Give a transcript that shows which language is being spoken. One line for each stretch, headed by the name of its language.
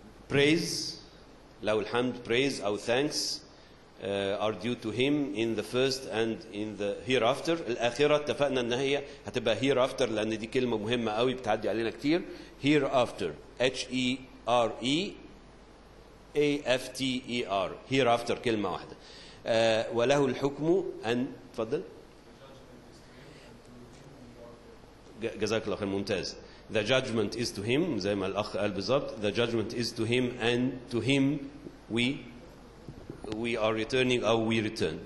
English: Praise,
Arabic: لو الحمد,
English: praise أو thanks are due to him in the first and in the hereafter.
Arabic: الآخرة اتفقنا أن هي هتبقى hereafter لأن دي كلمة مهمة قوي بتعدي علينا كتير.
English: Hereafter, H-E-R-E A-F-T-E-R, hereafter
Arabic: كلمة واحدة. وله الحكم أن, تفضل, جزاك الله خير, ممتاز.
English: The judgment is to him,
Arabic: زي ما الأخ قال بالضبط,
English: the judgment is to him and to him we are returning or we return.